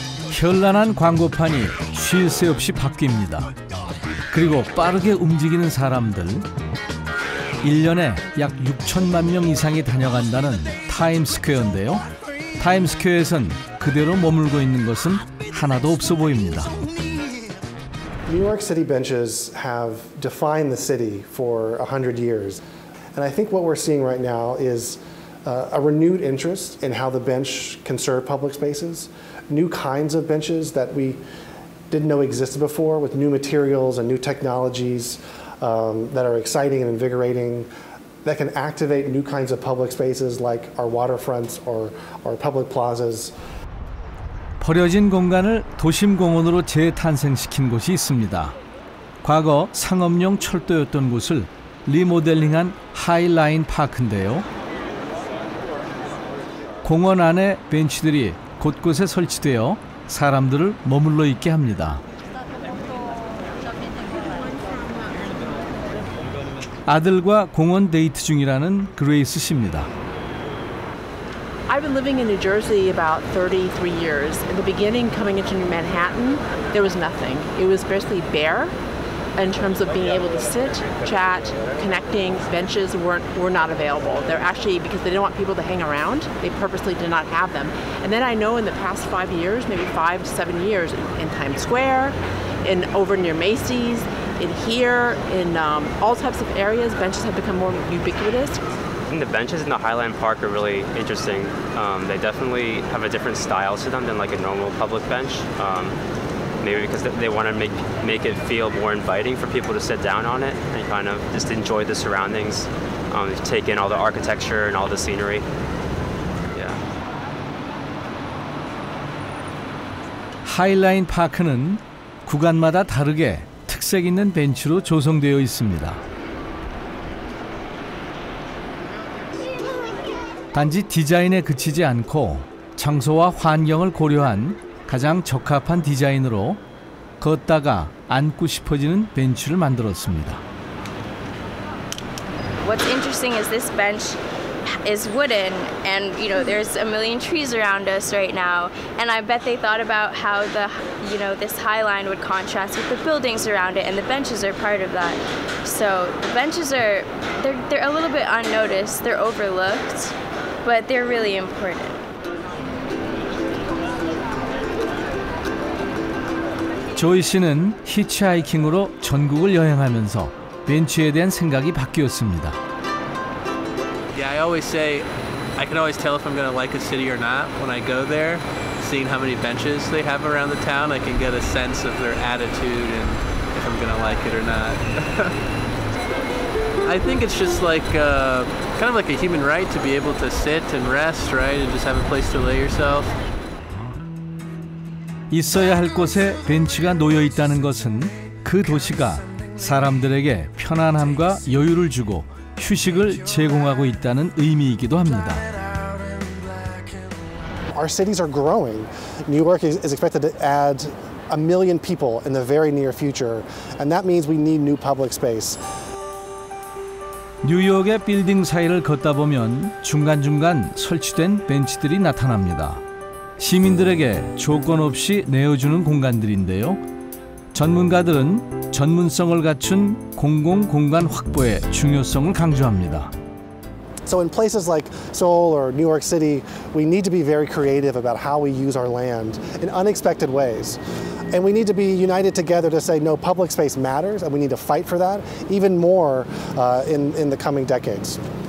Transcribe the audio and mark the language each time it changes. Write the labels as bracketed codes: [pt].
[ko] 현란한 광고판이 쉴 새 없이 바뀝니다. 그리고 빠르게 움직이는 사람들. 1년에 약 6천만 명 이상이 다녀간다는 타임스퀘어인데요. 타임스퀘어에선 그대로 머물고 있는 것은 하나도 없어 보입니다. [en] New York City benches have defined the city for 100 years. And I think what we're seeing right now is a renewed interest in how the bench can serve public spaces, new kinds of benches that we didn't know existed before with new materials and new technologies that are exciting and invigorating that can activate new kinds of public spaces like our waterfronts or our public plazas. [ko] 버려진 공간을 도심 공원으로 재탄생시킨 곳이 있습니다. 과거 상업용 철도였던 곳을 리모델링한 하이라인 파크인데요. 공원 안에 벤치들이 곳곳에 설치되어 사람들을 머물러 있게 합니다. 아들과 공원 데이트 중이라는 그레이스 씨입니다. [en] I've been living in New Jersey about 33 years. In the beginning, coming into Manhattan, there was nothing. It was basically bare in terms of being able to sit, chat, connecting. Benches were not available. They're actually, because they didn't want people to hang around, they purposely did not have them. And then I know in the past 5 years, maybe 5 to 7 years, in Times Square, in over near Macy's, in here, in all types of areas, benches have become more ubiquitous. The benches in the Highland Park are really interesting. They definitely have a different style to them than like a normal public bench. Maybe because they want to make it feel more inviting for people to sit down on it and kind of just enjoy the surroundings, take in all the architecture and all the scenery. Yeah. [ko] 하이라인 파크는 구간마다 다르게 특색 있는 벤치로 조성되어 있습니다. 단지 디자인에 그치지 않고 장소와 환경을 고려한 가장 적합한 디자인으로 걷다가 앉고 싶어지는 벤치를 만들었습니다. [en] What's interesting is this bench is wooden and you know there's a million trees around us right now and I bet they thought about how the you know this high line would contrast with the buildings around it and the benches are part of that. So the benches are they're a little bit unnoticed, they're overlooked. But they're really important. [ko] 조이 씨는 히치하이킹으로 전국을 여행하면서 벤치에 대한 생각이 바뀌었습니다. [en] Yeah, I always say I can always tell if I'm going to like a city or not when I go there, seeing how many benches they have around the town, I can get a sense of their attitude and if I'm going to like it or not. I think it's just like kind of like a human right to be able to sit and rest, right? And just have a place to lay yourself. [ko] 있어야 할 곳에 벤치가 놓여 있다는 것은 그 도시가 사람들에게 편안함과 여유를 주고 휴식을 제공하고 있다는 의미이기도 합니다. [en] Our cities are growing. New York is expected to add a million people in the very near future, and that means we need new public space. [ko] 뉴욕의 빌딩 사이를 걷다 보면 중간중간 설치된 벤치들이 나타납니다. 시민들에게 조건 없이 내어주는 공간들인데요. 전문가들은 전문성을 갖춘 공공 공간 확보의 중요성을 강조합니다. [en] So in places like Seoul or New York City, we need to be very creative about how we use our land in unexpected ways. And we need to be united together to say no, public space matters, and we need to fight for that even more in the coming decades.